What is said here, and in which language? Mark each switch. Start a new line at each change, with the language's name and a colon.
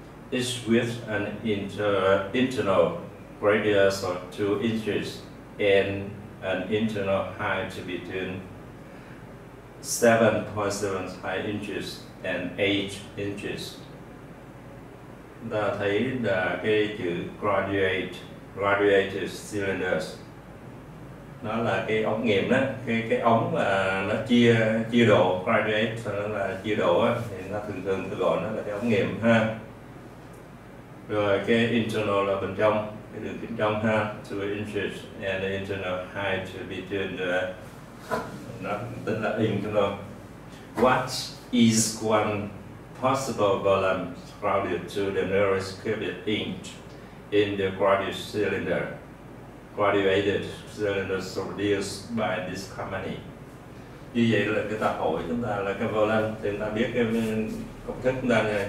English: Is with an internal radius of 2 inches and an internal height between 7.75 inches and 8 inches.
Vietnamese: Ta thấy là cái chữ graduated cylinders nó là cái ống nghiệm đó, cái ống mà nó chia độ graduate là chia độ á, thì nó thường tôi gọi nó là cái ống nghiệm ha. Rồi cái internal là bên trong, cái đường kính trong ha, 2 inches,
English: and the internal height between the,
Vietnamese: nó tính là internal.
English: What is one possible volume crowded to the nearest cubic inch in the graduated cylinder produced by this company?
Vietnamese: Như vậy là cái tập hỏi chúng ta là cái volume, thì chúng ta biết cái công thức chúng ta này.